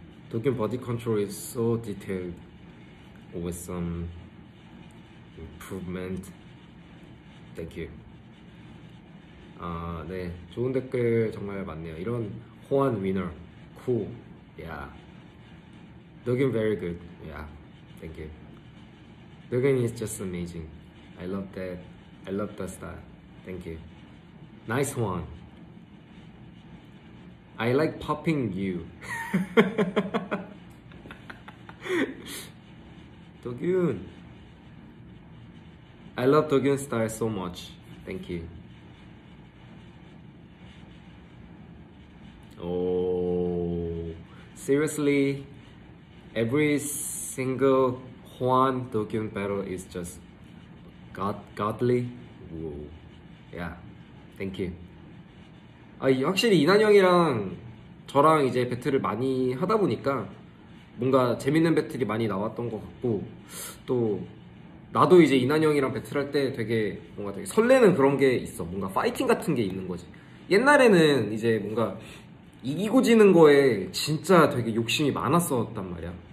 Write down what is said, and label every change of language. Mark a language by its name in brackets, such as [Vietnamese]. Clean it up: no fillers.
[English] 도겐 body control is so detailed with some improvement. Thank you. [Korean] 네, 좋은 댓글 정말 많네요. 이런 호환 위너, [English] cool, yeah. 도겐 very good, yeah. Thank you. 도겐 is just amazing. I love that. I love the style. Thank you. Nice one. I like popping you. [Korean] 도균. [English] I love 도균 style so much. Thank you. 오, seriously, every single 호환 도균 battle is just godly. Whoa. Yeah. Thank you. [Korean] 확실히 이난영이랑 저랑 이제 배틀을 많이 하다 보니까 뭔가 재밌는 배틀이 많이 나왔던 것 같고, 또 나도 이제 이난영이랑 배틀할 때 되게 뭔가 되게 설레는 그런 게 있어. 뭔가 파이팅 같은 게 있는 거지. 옛날에는 이제 뭔가 이기고 지는 거에 진짜 되게 욕심이 많았었단 말이야.